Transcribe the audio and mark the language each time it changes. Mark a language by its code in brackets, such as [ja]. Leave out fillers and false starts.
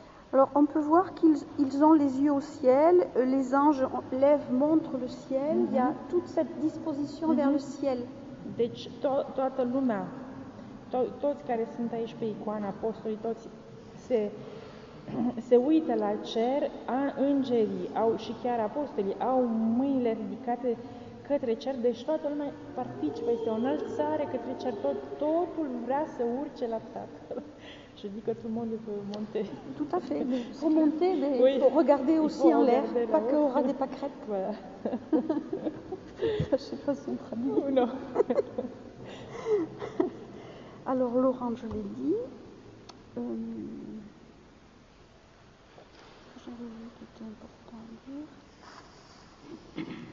[fr] Alors on peut voir qu'ils ont les yeux au ciel, les anges lèvent, montrent le ciel, il y a toute cette disposition vers le ciel. [ro] Deci toată lumea, toți care sunt aici pe icoana, apostolii, toți se uită la cer, îngerii au, și chiar apostolii au mâinile ridicate către cer, deci toată lumea participă, este o înălțare către cer, totul vrea să urce la Tatăl. [fr] Je dis que tout le monde peut monter. Tout à fait. Pour monter, mais oui. Pour regarder aussi en l'air, pas que au ras des pâquerettes. Voilà. Je sais pas si on traduit. Ou non. Alors, Laurent, je l'ai dit. J'avais vu que c'était important à dire.